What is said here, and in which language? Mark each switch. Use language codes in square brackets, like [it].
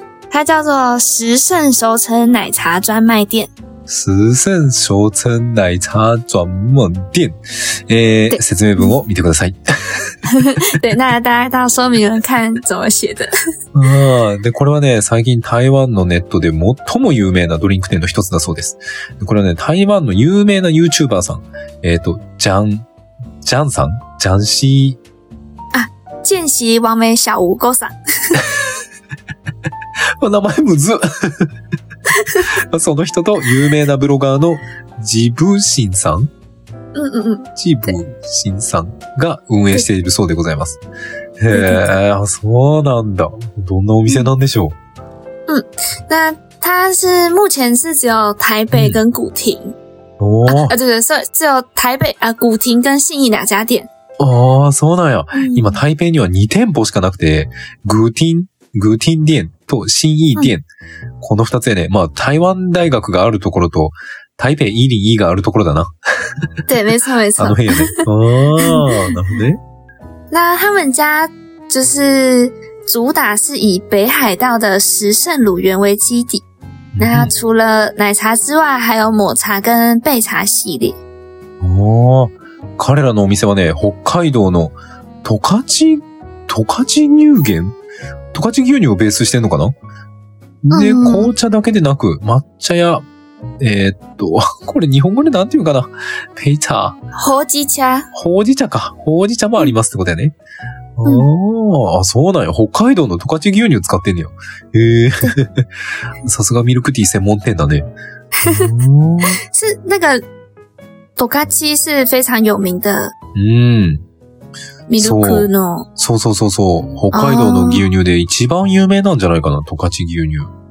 [zh] 他叫做十胜熟成奶茶专卖店。 [ja] 十胜熟成奶茶专门店，説明文を見てください。 [zh] 对，那大家到说明文看怎么写的。 [ja] で、これはね、最近台湾のネットで最も有名なドリンク店の一つだそうです。これはね、台湾の有名な YouTuber さん、ジャンさん、ジャンシー。あ、見習王美小吴哥さん。名前むず。その人と有名なブロガーのジブシンさん、ジブシンさんが運営しているそうでございます。へー、そうなんだ。どんなお店なんでしょう。 [zh] うん、那他是目前是只有台北跟古亭。おー、对对，所以只有台北啊、古亭跟信义两家店。 [ja] ああ、そうなんや。今台北には2店舗しかなくて、グーティン店と新意店。この二つやね。まあ、台湾大学があるところと、台北イーリンイーがあるところだな。 [zh] 对、没错没错。 [ja] あの辺やね。ああ、なるほどね。 [zh] 那、他们家、就是、主打是以北海道的十胜乳源为基底。那、除了奶茶之外、还有抹茶跟焙茶系列。 [ja] おー、彼らのお店はね、北海道の、十勝乳源トカチ牛乳をベースしてんのかな、うん、で、紅茶だけでなく、抹茶や、これ日本語でなんて言うかなペイチャー。ほうじ茶。ほうじ茶か。ほうじ茶もありますってことやね。うん、あー、そうなんや。北海道のトカチ牛乳使ってんのよ。さすがミルクティー専門店だね。 [zh] 是、なんか、トカチ是非常有名的。 [ja] ミルクの。そう。北海道の牛乳で一番有名なんじゃないかな、トカチ牛乳。